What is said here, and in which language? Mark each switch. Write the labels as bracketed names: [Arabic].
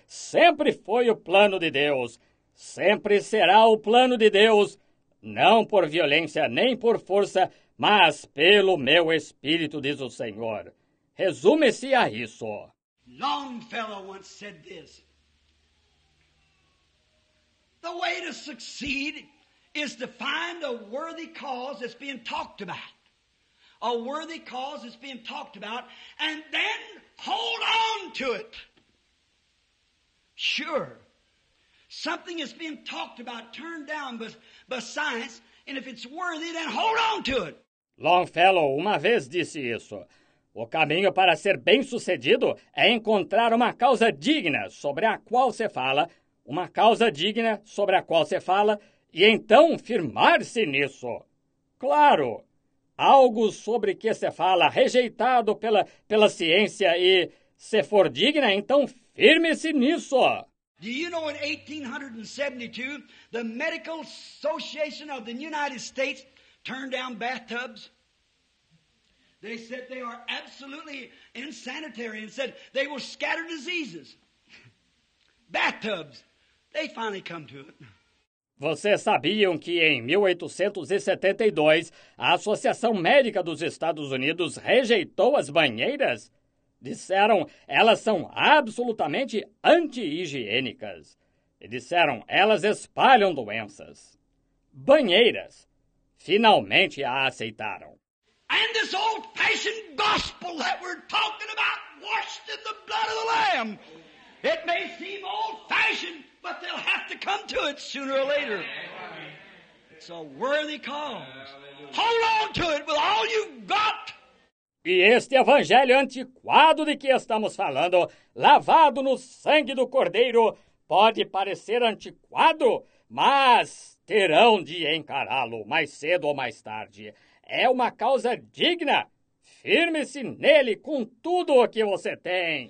[Portuguese] Sempre foi o plano de Deus. Sempre será o plano de Deus. Não por violência, nem por força, mas pelo meu espírito, diz o Senhor. Resume-se a isso. [English] Longfellow once said this. The way to succeed is to find a worthy cause that's being talked about. A worthy cause that's being talked about, and then hold on to it. Sure, something is being talked about, turned down by science, and if it's worthy, then hold on to it. [Portuguese] Longfellow uma vez disse isso. O caminho para ser bem sucedido é encontrar uma causa digna sobre a qual se fala, uma causa digna sobre a qual se fala, e então firmar-se nisso. Claro, algo sobre que se fala rejeitado pela ciência e, se for digna, então firme-se nisso. [English] Do you know in 1872, the Medical Association of the United States turned down bathtubs? They said they are absolutely insanitary and said they will scatter diseases. Bathtubs, they finally come to it. [Portuguese] Vocês sabiam que em 1872, a Associação Médica dos Estados Unidos rejeitou as banheiras? Disseram, elas são absolutamente anti-higiênicas. E disseram, elas espalham doenças. Banheiras. Finalmente a aceitaram. [English] And this old-fashioned gospel that we're talking about, washed in the blood of the Lamb. It may seem old-fashioned, but they'll have to come to it sooner or later. It's a worthy cause. Hold on to it with all you've got. [Portuguese] E este evangelho antiquado de que estamos falando, lavado no sangue do Cordeiro, pode parecer antiquado, mas terão de encará-lo mais cedo ou mais tarde. É uma causa digna. Firme-se nele com tudo o que você tem.